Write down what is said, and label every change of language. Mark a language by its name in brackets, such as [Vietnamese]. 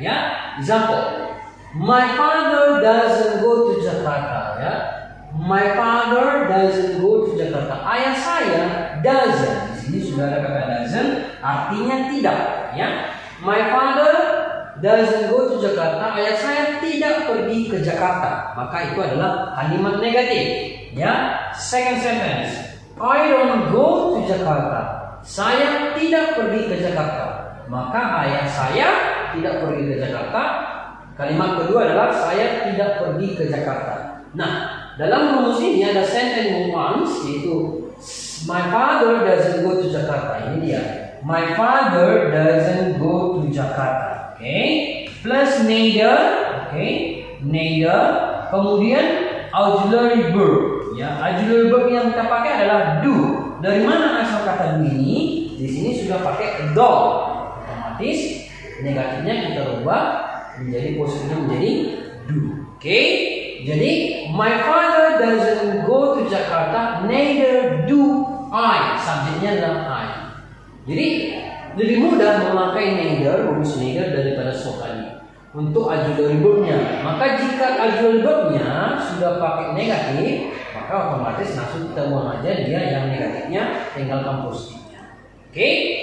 [English] Ya, example, my father doesn't go to Jakarta. Ya. My father doesn't go to Jakarta. [Indonesian] Ayah saya [English] doesn't. [Indonesian] Di sini sudah ada kata doesn't, artinya tidak, ya. [English] My father doesn't go to Jakarta. [Indonesian] Ayah saya tidak pergi ke Jakarta. Maka itu adalah kalimat negatif, ya. [English] Second sentence. I don't go to Jakarta. [Indonesian] Saya tidak pergi ke Jakarta. Maka ayah saya tidak pergi ke Jakarta. Kalimat kedua adalah saya tidak pergi ke Jakarta. Nah, dalam rumus ini ada sentence ones, yaitu [English] my father doesn't go to Jakarta. [Indonesian] Ini dia. [English] My father doesn't go to Jakarta. Okay. Plus neither. Okay. Neither. [Indonesian] Kemudian auxiliary verb. Ya, auxiliary verb yang kita pakai adalah do. Dari mana asal kata do ini? Di sini sudah pakai do. Otomatis negatifnya kita ubah menjadi positifnya menjadi do. [English] Okay. [Indonesian] Jadi [English] my father doesn't go to Jakarta. Neither do I. [Indonesian] Subjeknya adalah I. Jadi lebih mudah memakai neither, rumus neither daripada sokanya untuk auxiliary verb-nya. Maka jika auxiliary verb-nya sudah pakai negatif, maka otomatis langsung kita buang aja dia yang negatifnya, tinggalkan positifnya. Oke? Okay?